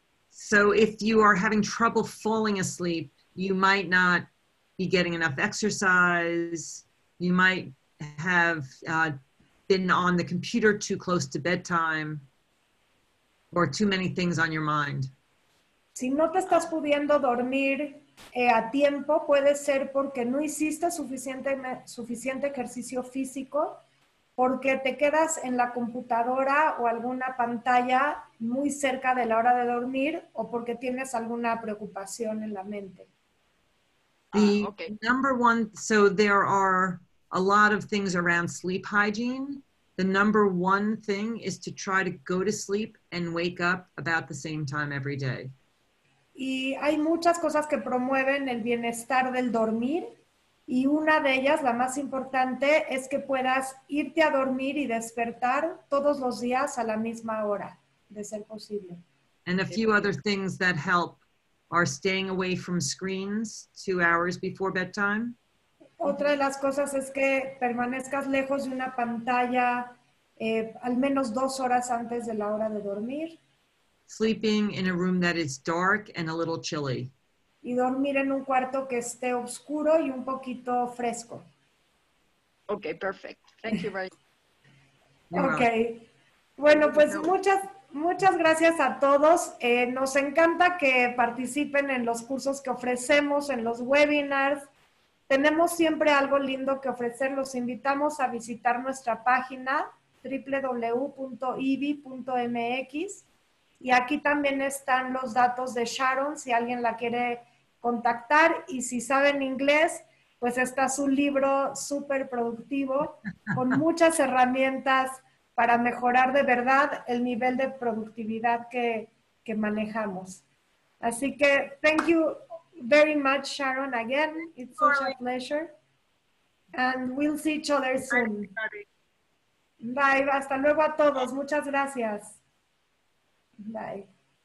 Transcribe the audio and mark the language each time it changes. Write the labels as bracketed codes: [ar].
[en] So if you are having trouble falling asleep, you might not be getting enough exercise. You might have been on the computer too close to bedtime or too many things on your mind. [es] Si no te estás pudiendo dormir a tiempo, puede ser porque no hiciste suficiente ejercicio físico, porque te quedas en la computadora o alguna pantalla muy cerca de la hora de dormir, o porque tienes alguna preocupación en la mente. [en] Okay. Number one, so there are a lot of things around sleep hygiene. The number one thing is to try to go to sleep and wake up about the same time every day. [es] Y hay muchas cosas que promueven el bienestar del dormir. Y una de ellas, la más importante, es que puedas irte a dormir y despertar todos los días a la misma hora, de ser posible. [en] And a few other things that help are staying away from screens 2 hours before bedtime. [es] Otra de las cosas es que permanezcas lejos de una pantalla al menos 2 horas antes de la hora de dormir. [en] Sleeping in a room that is dark and a little chilly. [es] Y dormir en un cuarto que esté oscuro y un poquito fresco. [en] Okay, perfect. Thank you very much. Okay. [es] Bueno, pues muchas, muchas gracias a todos. Nos encanta que participen en los cursos que ofrecemos, en los webinars. Tenemos siempre algo lindo que ofrecer. Los invitamos a visitar nuestra página www.ibi.mx. Y aquí también están los datos de Sharon, si alguien la quiere contactar. Y si saben inglés, pues está su libro súper productivo con muchas herramientas para mejorar de verdad el nivel de productividad que manejamos. Así que, [en] thank you very much, Sharon, again. It's such a pleasure. And we'll see each other soon. [es] Bye, hasta luego a todos. Muchas gracias. Bye.